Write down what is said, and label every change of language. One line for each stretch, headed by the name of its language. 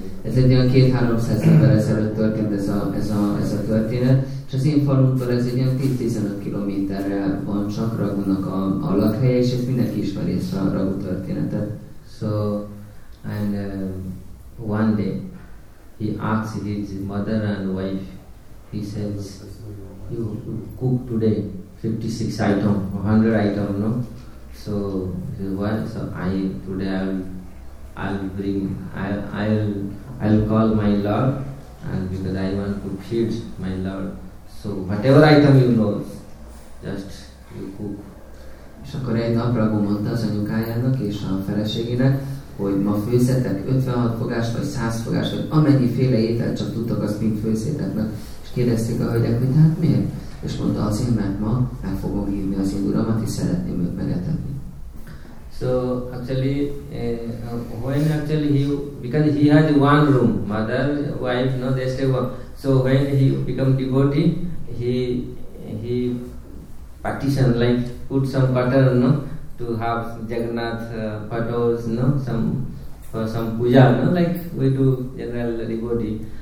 Hungarian: Ez egy olyan 2-300 évvel ezelőtt történt ez a történet, és az én falunktól ez egy ilyen 10-15 kilométerre van csak Raghunak a lakhelye, és ezt mindenki ismeri ezt a Raghu történetet.
English: So, and one day, he asks his mother and wife, he says, you cook today 56 items, 100 items, no? So, he says, what? So, I'll call my Lord, and because I want to feed my Lord. So, whatever item you know, just you cook.
Hungarian: És akkor egy nap Prabhu mondta az anyukájának és a feleségének, hogy ma főzzetek 56 fogást, vagy 100 fogást, vagy amennyi féle ételt csak tudtok, azt mind főzzétek meg. És kérdezték a hölgyek, hogy hát miért? És mondta, azért, mert ma meg fogom hívni az én uramat, és szeretném őt megetetni.
English: So, actually, when actually he, because he had one room, mother, wife, no, they stay one. So, when he become devotee, he partition, like, put some butter, no, to have Jagannath photos, no, some, for some puja, no, like we do general devotee.